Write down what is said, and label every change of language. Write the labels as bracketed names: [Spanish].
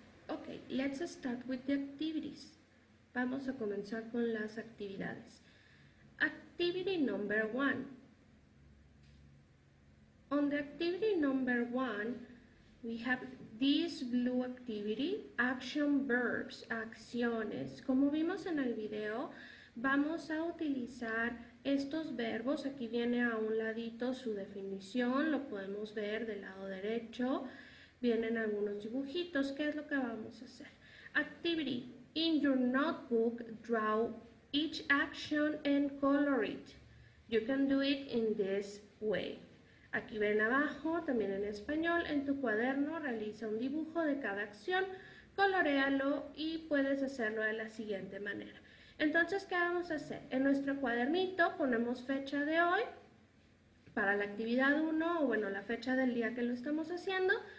[English] Okay, let's start with the activities. [Spanish] Vamos a comenzar con las actividades. [English] Activity number one. On the activity number one, we have this blue activity, action verbs, acciones. [Spanish] Como vimos en el video, vamos a utilizar estos verbos. Aquí viene a un ladito su definición, lo podemos ver del lado derecho. Vienen algunos dibujitos. ¿Qué es lo que vamos a hacer? [English] Activity. In your notebook, draw each action and color it. You can do it in this way. [Spanish] Aquí ven abajo, también en español, en tu cuaderno realiza un dibujo de cada acción, coloréalo y puedes hacerlo de la siguiente manera. Entonces, ¿qué vamos a hacer? En nuestro cuadernito ponemos fecha de hoy para la actividad 1, o bueno, la fecha del día que lo estamos haciendo.